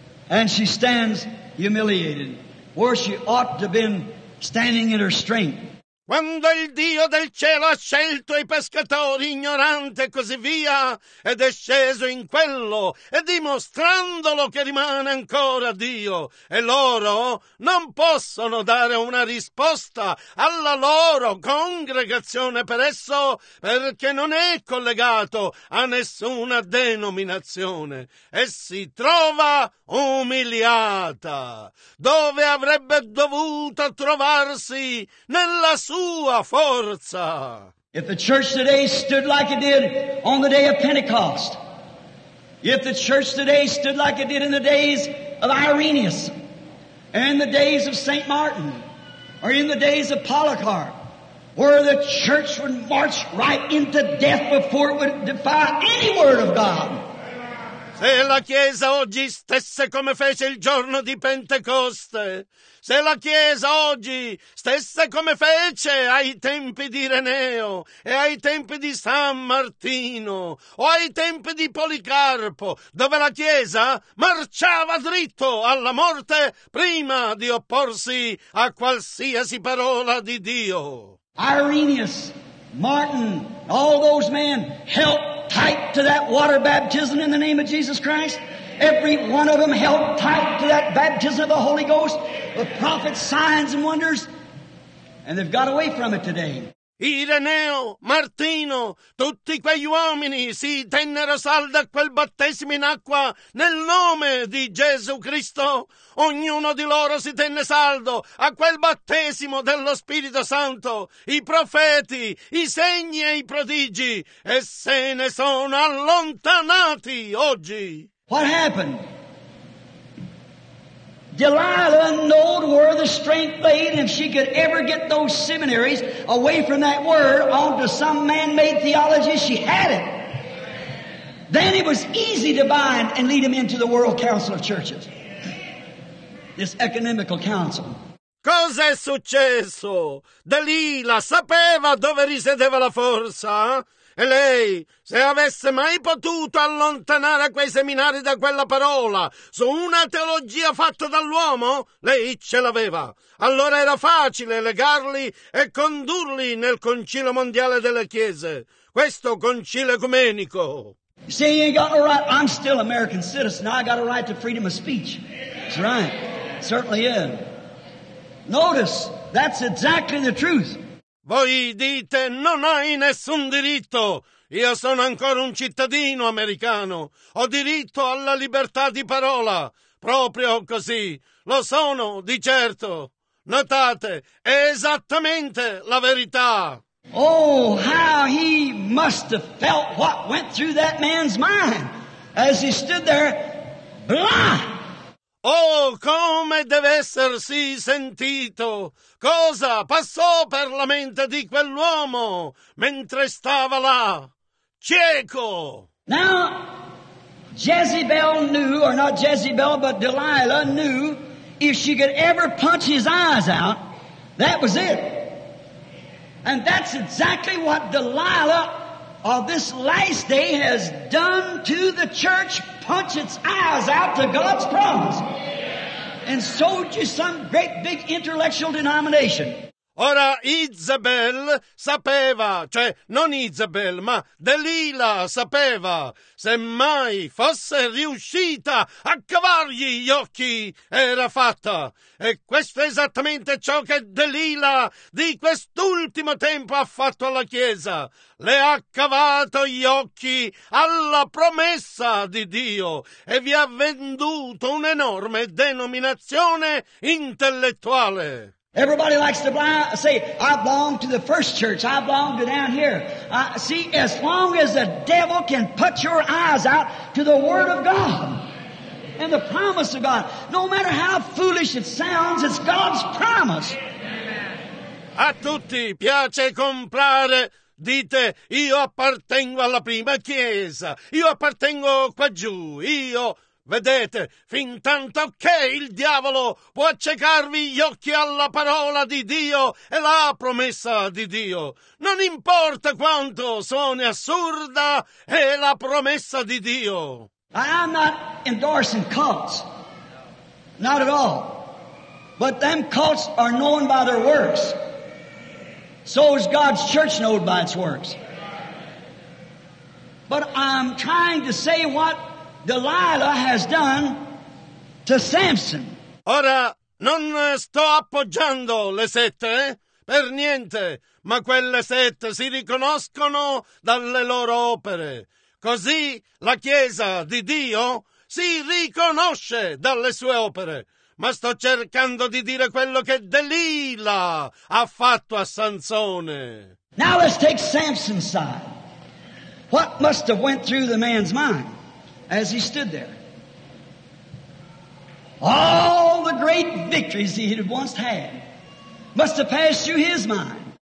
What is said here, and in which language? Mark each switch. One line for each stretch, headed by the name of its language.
English: And she stands humiliated where she ought to have been standing in her strength.
Italian: Quando il Dio del cielo ha scelto i pescatori ignoranti e così via, ed è sceso in quello, e dimostrandolo che rimane ancora Dio, e loro non possono dare una risposta alla loro congregazione per esso, perché non è collegato a nessuna denominazione, e si trova umiliata, dove avrebbe dovuto trovarsi nella sua...
English: If the church today stood like it did on the day of Pentecost, if the church today stood like it did in the days of Irenaeus, and the days of St. Martin, or in the days of Polycarp, where the church would march right into death before it would defy any word of God.
Italian: Se la Chiesa oggi stesse come fece il giorno di Pentecoste, se la Chiesa oggi stesse come fece ai tempi di Ireneo e ai tempi di San Martino o ai tempi di Policarpo, dove la Chiesa marciava dritto alla morte prima di opporsi a qualsiasi parola di Dio.
English: Irenaeus, Martin, all those men helped tight to that water baptism in the name of Jesus Christ. Every one of them held tight to that baptism of the Holy Ghost, the prophets, signs and wonders, and they've got away from it today.
Italian: Ireneo, Martino, tutti quegli uomini si tennero saldi a quel battesimo in acqua nel nome di Gesù Cristo. Ognuno di loro si tenne saldo a quel battesimo dello Spirito Santo, i profeti, i segni e i prodigi, e se ne sono allontanati oggi.
English: What happened? Delilah knowed where the strength lay, and if she could ever get those seminaries away from that word onto some man-made theology, she had it. Then it was easy to bind and lead him into the World Council of Churches. This ecumenical council.
Italian: Cos'è successo? Delilah sapeva dove risiedeva la forza. E lei, se avesse mai potuto allontanare quei seminari da quella parola su una teologia fatta dall'uomo, lei ce l'aveva. Allora era facile legarli e condurli nel Concilio Mondiale delle Chiese, questo Concilio Ecumenico.
English: See, you ain't got no right. I'm still American citizen. I got a right to freedom of speech. That's right. Certainly is. Notice, that's exactly the truth.
Italian: Voi dite, non hai nessun diritto. Io sono ancora un cittadino americano. Ho diritto alla libertà di parola. Proprio così. Lo sono, di certo. Notate, è esattamente la verità.
English: Oh, how he must have felt what went through that man's mind as he stood there, blah!
Italian: Oh, come deve essersi sentito! Cosa passò per la mente di quell'uomo mentre stava là, cieco!
English: Now, Jezebel knew, or not Jezebel, but Delilah knew, if she could ever punch his eyes out, that was it. And that's exactly what Delilah of this last day has done to the church, punch its eyes out to God's promise, and sold you some great big intellectual denomination.
Italian: Ora, Isabel sapeva, cioè non Isabel, ma Delilah sapeva, se mai fosse riuscita a cavargli gli occhi, era fatta. E questo è esattamente ciò che Delilah di quest'ultimo tempo ha fatto alla Chiesa. Le ha cavato gli occhi alla promessa di Dio e vi ha venduto un'enorme denominazione intellettuale.
English: Everybody likes to say, I belong to the first church, I belong to down here. See, as long as the devil can put your eyes out to the Word of God and the promise of God, no matter how foolish it sounds, it's God's promise.
Italian: A tutti piace comprare. Dite, io appartengo alla prima chiesa, io appartengo qua giù, io... Vedete, fin tanto che il diavolo può accecarvi gli occhi alla parola di Dio e la promessa di Dio. Non importa quanto suoni assurda, è la promessa di Dio.
English: I'm not endorsing cults. Not at all. But them cults are known by their works. So is God's church known by its works. But I'm trying to say what Delilah has done to Samson.
Italian: Ora, non sto appoggiando le sette, per niente, ma quelle sette si riconoscono dalle loro opere. Così la Chiesa di Dio si riconosce dalle sue opere. Ma sto cercando di dire quello che Delilah ha fatto a Sansone.
English: Now let's take Samson's side. What must have went through the man's mind as he stood there? All the great victories he had once had must have passed through his mind.